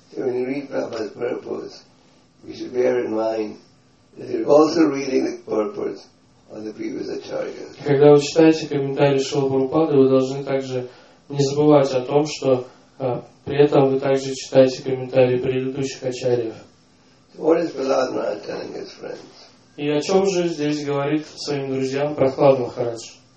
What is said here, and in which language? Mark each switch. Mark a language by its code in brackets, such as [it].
[en] So when you read Prabhupada's purports, you should bear in mind that you're also reading the purports of the previous acharyas. [ru] Когда вы читаете комментарии Шрилы Прабхупады, вы должны также не забывать о том, что при этом вы также читаете комментарии предыдущих ачарьев. [en] So what is Prahlad Maharaj telling his friends? [ru] И о чем же здесь говорит своим друзьям Прохлад Махарадж?